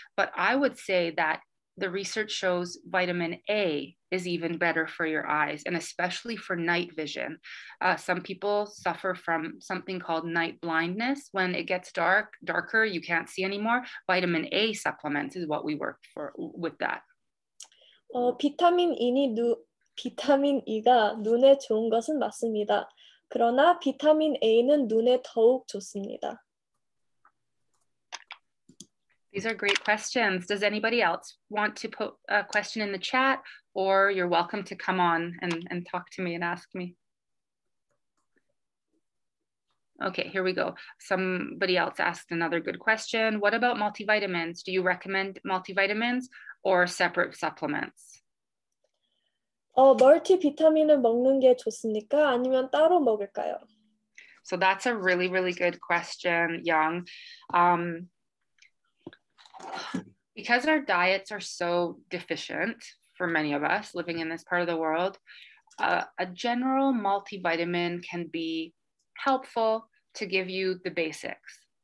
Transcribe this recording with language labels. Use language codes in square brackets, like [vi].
[en] But I would say that the research shows vitamin A is even better for your eyes, and especially for night vision. Some people suffer from something called night blindness. When it gets darker, you can't see anymore. Vitamin A supplements is what we work for with that. [ko] 비타민 E가 눈에 좋은 것은 맞습니다. 그러나 비타민 A는 눈에 더욱 좋습니다. [en] These are great questions. Does anybody else want to put a question in the chat, or you're welcome to come on and talk to me and ask me? Okay, here we go. Somebody else asked another good question. What about multivitamins? Do you recommend multivitamins or separate supplements? [ko] 멀티비타민을 먹는 게 좋습니까? 아니면 따로 먹을까요? [en] So that's a really, really good question, Young. Because our diets are so deficient for many of us living in this part of the world, a general multivitamin can be helpful to give you the basics.